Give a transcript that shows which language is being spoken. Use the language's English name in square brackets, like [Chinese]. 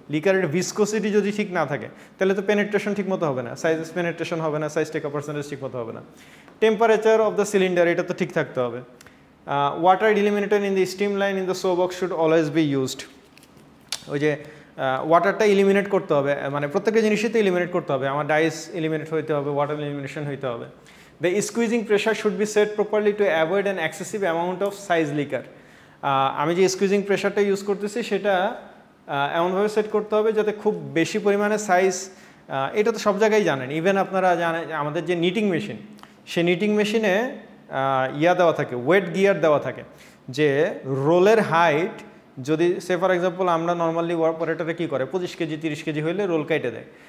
[Bangla] লিকারের viscosity যদি ঠিক না থাকে তাহলে তো পেনেট্রেশন ঠিকমতো হবে না, সাইজ পেনেট্রেশন হবে না, সাইজ টেকা পার্সেন্টেজ ঠিকমতো হবে না। [English] temperature of the cylinder [Bangla] এটা তো ঠিক থাকতে হবে। [English] Water eliminated in the steam line in the so box should always be used. [Bangla] ওই যে ওয়াটারটা ইলিমিনেট করতে হবে, মানে প্রত্যেকটা জিনিসই তো ইলিমিনেট করতে হবে। আমার ডাইস ইলিমিনেট হইতে হবে, ওয়াটার ইলিমিনেশন হইতে হবে। [English] The squeezing pressure should be set properly to avoid an excessive amount of size leaker. [Bangla] আমি যে স্কুইজিং প্রেশারটা ইউজ করতেছি সেটা এমনভাবে সেট করতে হবে যাতে খুব বেশি পরিমাণে সাইজ, এটা তো সব জায়গায় জানেন, ইভেন আপনারা জানেন আমাদের যে নিটিং মেশিন, সেই নিটিং মেশিনে ইয়া দেওয়া থাকে, ওয়েট গিয়ার দেওয়া থাকে, যে রোলের হাইট যদি সে ফর এক্সাম্পল আমরা নর্মালি অপারেটরে কী করে 25 কেজি 30 কেজি হইলে রোল কাইটে দেয়।